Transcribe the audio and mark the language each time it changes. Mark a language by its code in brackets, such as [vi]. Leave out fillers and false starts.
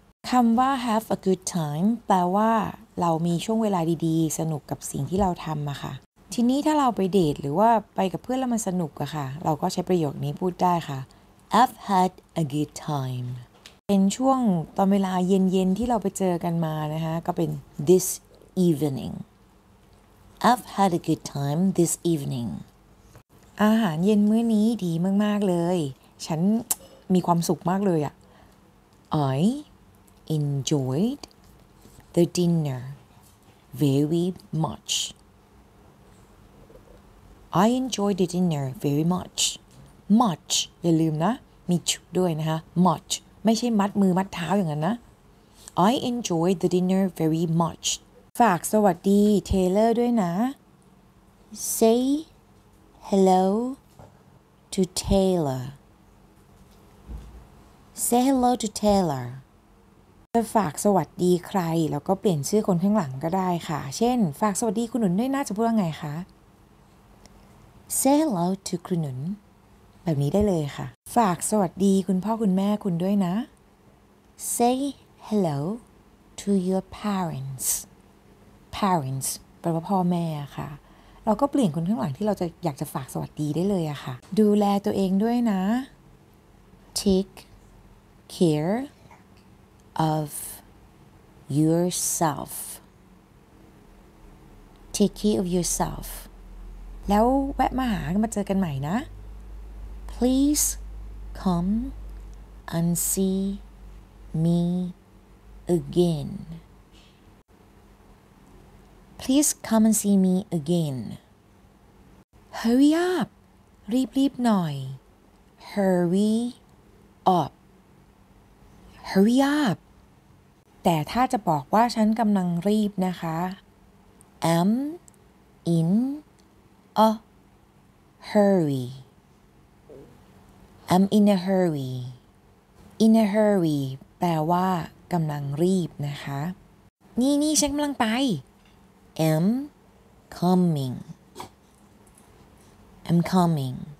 [th] คำว่า [en] have a good time [th] แปลว่าเรามีช่วงเวลาดีๆสนุกกับสิ่งที่เราทำอะค่ะทีนี้ถ้าเราไปเดทหรือว่าไปกับเพื่อนแล้วมันสนุกอะค่ะเราก็ใช้ประโยคนี้พูดได้ค่ะ [en] I've had a good time [th] เป็นช่วงตอนเวลาเย็นๆที่เราไปเจอกันมานะคะก็เป็น [en] this evening I've had a good time this evening [th] อาหารเย็นมื้อนี้ดีมากๆเลยฉันมีความสุขมากเลยอ่ ะ [en] I enjoyed the dinner very much I enjoyed the dinner very much [th] much อย่าลืมนะมีชุดด้วยนะคะ much ไม่ใช่มัดมือมัดเท้าอย่างนั้นนะ [en] I enjoyed the dinner very much [th] ฝากสวัสดีเทเลอร์ด้วยนะ [en] sayHello to Taylor. Say hello to Taylor. [th] จะฝากสวัสดีใครแล้วก็เปลี่ยนชื่อคนข้างหลังก็ได้ค่ะเช่นฝากสวัสดีคุณหนุนด้วยนะจะพูดว่าไงคะ [en] Say hello to คุณหนุน [th] แบบนี้ได้เลยค่ะฝากสวัสดีคุณพ่อคุณแม่คุณด้วยนะ [en] Say hello to your parents. [th] Parents แปลว่าพ่อแม่ค่ะเราก็เปลี่ยนคนข้างหลังที่เราจะอยากจะฝากสวัสดีได้เลยอะค่ะดูแลตัวเองด้วยนะ [en] Take care of yourself Take care of yourself [th] แล้วแวะมาหามาเจอกันใหม่นะ [en] Please come and see me againPlease come and see me again. Hurry up! [th] รีบๆหน่อย [en] hurry up hurry up [th] แต่ถ้าจะบอกว่าฉันกำลังรีบนะคะ [en] I'm in a hurry [th] I'm in a hurry in a hurry แปลว่ากำลังรีบนะคะนี่นี่ฉันกำลังไป [en] I'm comingI'm coming.